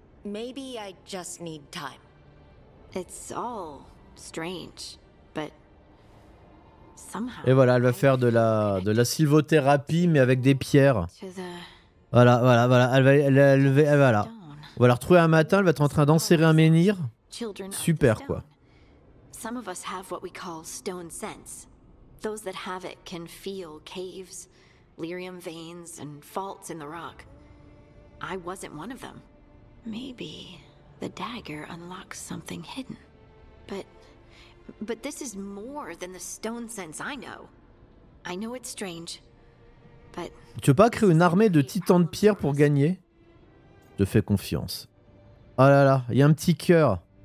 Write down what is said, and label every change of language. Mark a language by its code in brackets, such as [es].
[en] Maybe I just need time. It's all strange, but somehow. [fr] Et voilà, elle va faire de la sylvothérapie, mais avec des pierres. Voilà. Elle va on va la retrouver un matin. Elle va être en train d'enserrer un menhir. Super quoi. [en] Some of us have what we call stone sense. Those that have it can feel caves. Lyrium veins and faults in the rock. I wasn't one of them. Maybe the dagger unlocks something hidden. But this is more than the stone sense I know. I know it's strange, but. [fr] Tu veux pas créer une armée de titans de pierre pour gagner? Je fais confiance. Oh là là, il y a un petit cœur.